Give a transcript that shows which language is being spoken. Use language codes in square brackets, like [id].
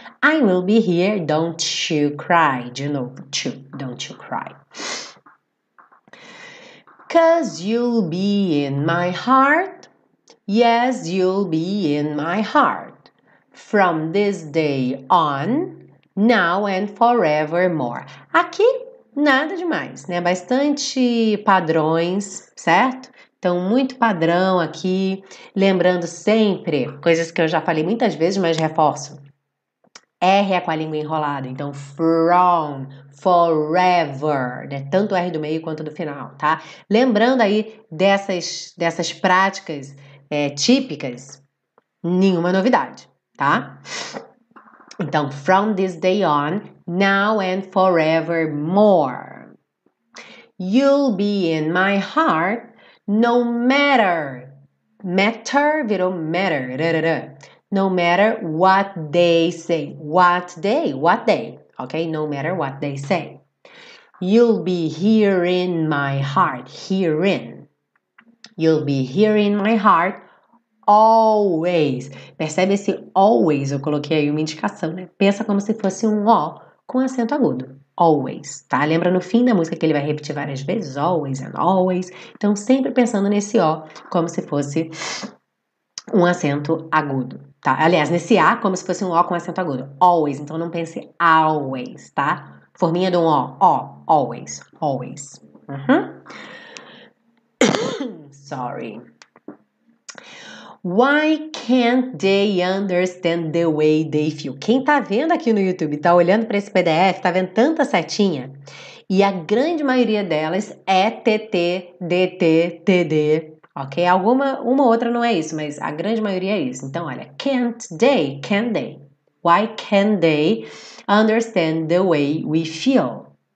[en] I will be here, don't you cry, [pt] de novo, [en] don't you cry. Cause you'll be in my heart. Yes, you'll be in my heart. From this day on, now and forevermore. [pt] Aqui, nada demais, né? Bastante padrões, certo? Então, muito padrão aqui. Lembrando sempre, coisas que eu já falei muitas vezes, mas reforço. R é com a língua enrolada. Então, from, forever. Né? Tanto o R do meio quanto do final, tá? Lembrando aí dessas práticas típicas, nenhuma novidade, tá? [en] Então, from this day on, now and forevermore. You'll be in my heart, no matter. Matter virou matter. No matter what they say. What day, okay? No matter what they say. You'll be here in my heart, herein. You'll be here in my heart, always. [pt] Percebe esse always, eu coloquei aí uma indicação, né? Pensa como se fosse um O com acento agudo. Always, tá? Lembra no fim da música que ele vai repetir várias vezes? [en] Always and always. [pt] Então, sempre pensando nesse O como se fosse um acento agudo, tá? Aliás, nesse A como se fosse um O com acento agudo. Always, então não pense always, tá? Forminha de um O. O, always, always. [en] Sorry. Why can't they understand the way they feel? [pt] Quem tá vendo aqui no YouTube, tá olhando pra esse PDF, tá vendo tanta setinha? E a grande maioria delas é TT, DT, TD, ok? Alguma, uma ou outra não é isso, mas a grande maioria é isso. Então, olha, [en] can't they, can they? Why can't they understand the way we feel?